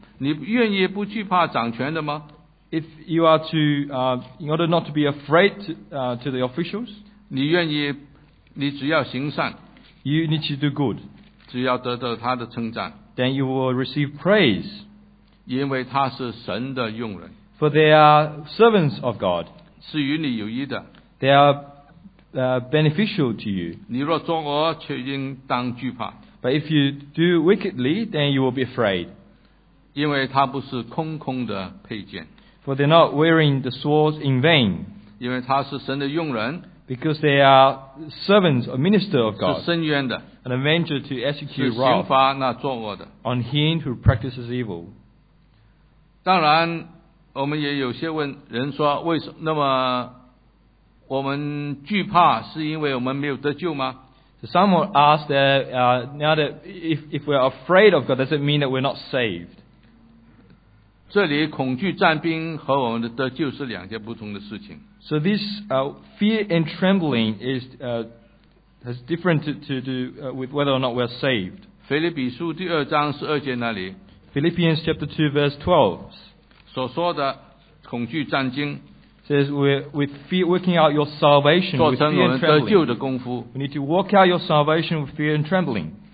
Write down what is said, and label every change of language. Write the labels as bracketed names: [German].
[Chinese] 你愿意不惧怕掌权的吗？ [English] If you are to, in order not to be afraid to the officials, [Chinese] 你愿意，你只要行善， [English] you need to do good, [Chinese] 只要得到他的称赞， [English] then you will receive praise, [Chinese] 因为他是神的用人， [English] for they are servants of God, [Chinese] 是与你有益的， [English] they are beneficial to you, [Chinese] 你若作恶，却应当惧怕， [English] but if you do wickedly, then you will be afraid, [Chinese] 因为他不是空空的佩剑。 [English] For they're not wearing the swords in vain. [Chinese] 因为他是神的用人。 [English] Because they are servants or minister of God. [Chinese] 是伸冤的。 [English] An avenger to execute wrath. [Chinese] 是刑罚那作恶的。 [English] On him who practices evil. [Chinese] 当然我们也有些问人说为什么那么我们惧怕是因为我们没有得救吗？ [English] So some will ask that now that if we're afraid of God, does it mean that we're not saved? [Chinese] 这里恐惧战兵和我们的得救是两件不同的事情。 [English] So this fear and trembling is different to do with whether or not we're saved. [Chinese] 腓立比书第二章十二节那里。 [English] Philippians chapter 2 verse 12. [Chinese] 所说的恐惧战兵。 [English] Says with fear working out your salvation with fear and trembling. [Chinese] 做成我们得救的功夫。 [English] We need to work out your salvation with fear and trembling.